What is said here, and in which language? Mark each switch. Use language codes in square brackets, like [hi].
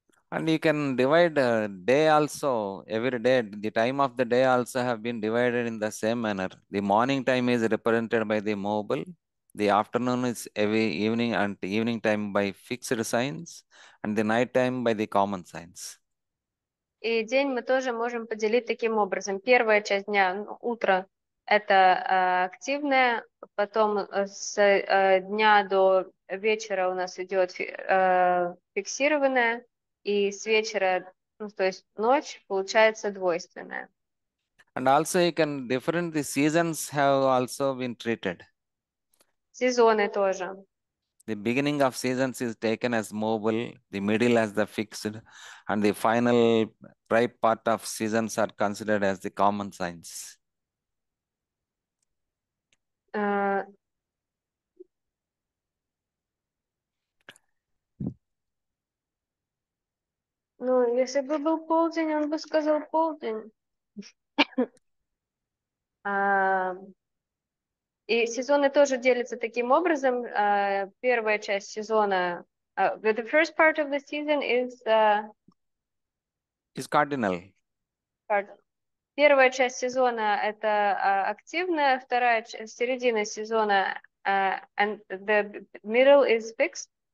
[en] And you can divide day also, every day, the time of the day also have been divided in the same manner. The morning time is represented by the mobile, the afternoon is every evening and evening time by fixed signs, and the night time by the common signs. [ru] И день мы тоже можем поделить таким образом. Первая часть дня, утро, это активная. Потом с дня до вечера у нас идет фиксированная. И с вечера, ну, то есть ночь, получается двойственная. [en] And also you can different the seasons have also been treated. [ru] Сезоны тоже. [en] The beginning of seasons is taken as mobile, the middle as the fixed, and the final ripe part of seasons are considered as the common signs. [ru] Ну, если бы был полдень, он бы сказал полдень. И сезоны тоже делятся таким образом. Первая часть сезона, [en] the first part of the season is cardinal. Pardon. [ru] Первая часть сезона это активная, вторая часть, середина сезона [en] and the middle is fixed.